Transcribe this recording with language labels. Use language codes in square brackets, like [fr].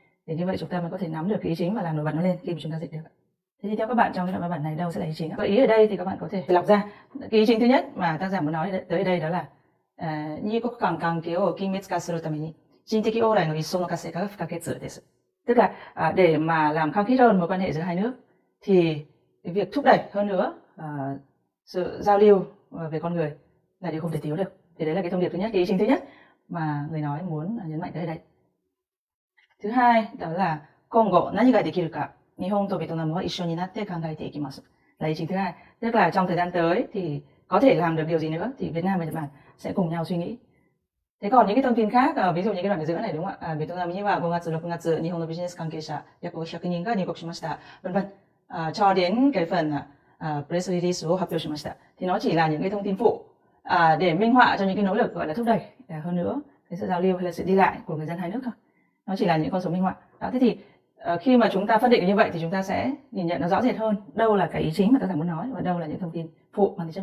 [vi] Thì như vậy chúng ta mới có thể nắm được cái ý chính và làm nổi bật nó lên khi mà chúng ta dịch được. Thế thì theo các bạn trong cái đoạn văn bản này đâu sẽ là ý chính ạ? Gợi ý ở đây thì các bạn có thể lọc ra cái ý chính thứ nhất mà tác giả muốn nói tới đây, đó là như quốc càng càng kéo ở kinh mít ca sơ tâm ý chính thức ô lại nó ý xô nó ca sẽ các cái sự đấy, tức là để mà làm khăng khít hơn mối quan hệ giữa hai nước thì việc thúc đẩy hơn nữa sự giao lưu về con người là điều không thể thiếu được. Thì đấy là cái thông điệp thứ nhất, cái ý chính thứ nhất mà người nói muốn nhấn mạnh tới đây. Thứ hai đó là [ja] 今後何ができるか日本とベトナムは一緒になって考えていきます。 [vi] Là ý chính thứ hai, tức là trong thời gian tới thì có thể làm được điều gì nữa thì Việt Nam và Nhật Bản sẽ cùng nhau suy nghĩ. Thế còn những cái thông tin khác, ví dụ những cái đoạn ở giữa này đúng không ạ? [ja] Việt Nam には5月6月日本のビジネス関係者約500人が入国しました。 [vi] Vân vân. Cho đến cái phần [en] press release [ja] を発表しました. [vi] Thì nó chỉ là những cái thông tin phụ để minh họa cho những cái nỗ lực gọi là thúc đẩy hơn nữa cái sự giao lưu hay là sự đi lại của người dân hai nước thôi. Nó chỉ là những con số minh họa. Đó, thế thì khi mà chúng ta phân định như vậy thì chúng ta sẽ nhìn nhận nó rõ rệt hơn đâu là cái ý chính mà tác giả muốn nói và đâu là những thông tin phụ mà tác giả